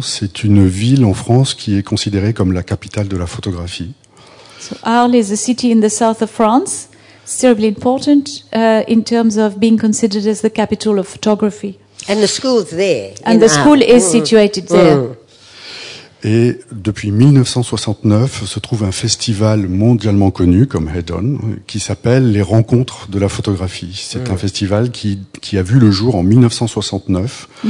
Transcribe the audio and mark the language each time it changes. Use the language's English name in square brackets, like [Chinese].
[French] C'est une ville en France qui est considérée comme la capitale de la photographie. [English] So Arles is a city in the south of France. It's terribly important in terms of being considered as the capital of photography. And the school's there. And the school is situated there. [French] Et depuis 1969, se trouve un festival mondialement connu comme Hedon, qui s'appelle les Rencontres de la photographie. C'est un festival qui a vu le jour en 1969.